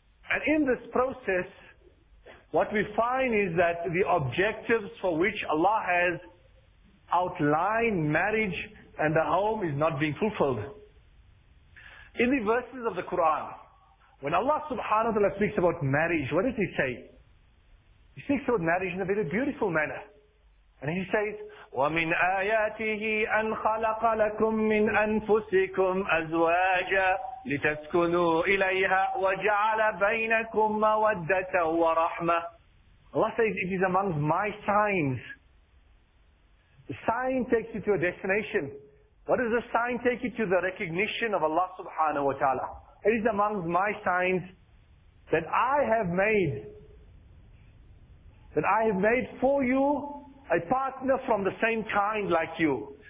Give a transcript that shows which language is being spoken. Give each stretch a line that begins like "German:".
English: And in this process, what we find is that the objectives for which Allah has outlined marriage and the home is not being fulfilled. In the verses of the Quran, when Allah subhanahu wa ta'ala speaks about marriage, what does He say? He speaks about marriage in a very beautiful manner. And He says,
Arabic: وَمِنْ آيَاتِهِ أَنْ خَلَقَ لَكُمْ مِنْ أَنْفُسِكُمْ أَزْوَاجًا لِتَسْكُنُوا إِلَيْهَا وَجَعَلَ بَيْنَكُمْ مَوَدَّةً وَرَحْمَةً.
English: Allah says, it is among my signs. The sign takes you to a destination. What does the sign take you to? The recognition of Allah subhanahu wa ta'ala. It is among my signs that I have made, for you a partner from the same kind like you.